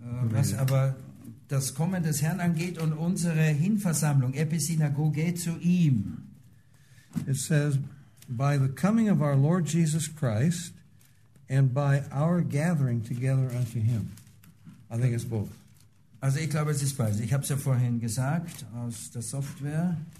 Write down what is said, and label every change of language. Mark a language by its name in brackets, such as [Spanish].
[German] Was aber das Kommen des Herrn angeht und unsere Hinversammlung, Episynagoge, zu ihm. [English] It says, by the coming of our Lord Jesus Christ and by our gathering together unto him. I think it's both. [German] Also ich glaube, es ist beides. Ich habe es ja vorhin gesagt aus der Software.